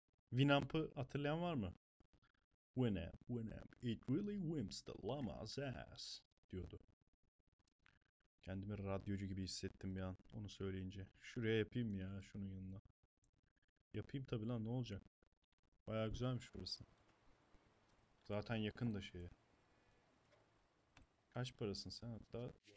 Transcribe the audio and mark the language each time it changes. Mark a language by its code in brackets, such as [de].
[tr] Winamp'ı hatırlayan var mı? Winamp, Winamp. [en] It really whims the llama's ass. [tr] Diyordu. Kendimi radyocu gibi hissettim bir an onu söyleyince. Şuraya yapayım ya şunun yanına. Yapayım tabii lan ne olacak? Bayağı güzelmiş burası. Zaten yakın da şeye. Kaç parasın sen hatta?